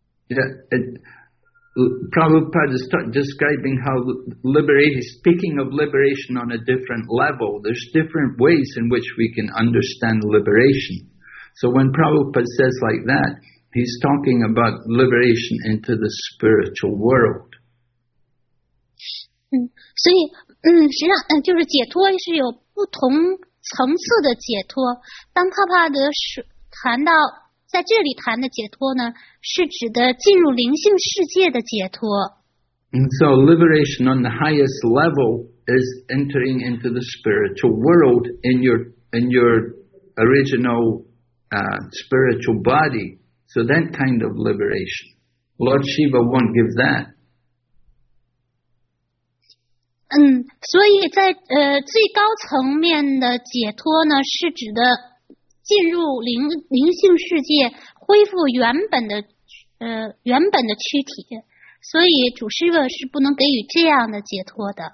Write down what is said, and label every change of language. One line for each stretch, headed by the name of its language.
English: Yeah, Prabhupada is describing how liberation, speaking of liberation on a different level. There's different ways in which we can understand liberation. So when Prabhupada says like that, he's talking about liberation into the spiritual world.
Chinese: 嗯，所以实际上就是解脱是有不同层次的解脱。当帕帕德是谈到在这里谈的解脱呢，是指的进入灵性世界的解脱。
English: And so liberation on the highest level is entering into the spiritual world in your original spiritual body. So that kind of liberation, Lord Shiva won't give that.
Chinese: 嗯，所以在最高层面的解脱呢，是指的进入灵性世界，恢复原本的躯体。所以主师傅是不能给予这样的解脱的。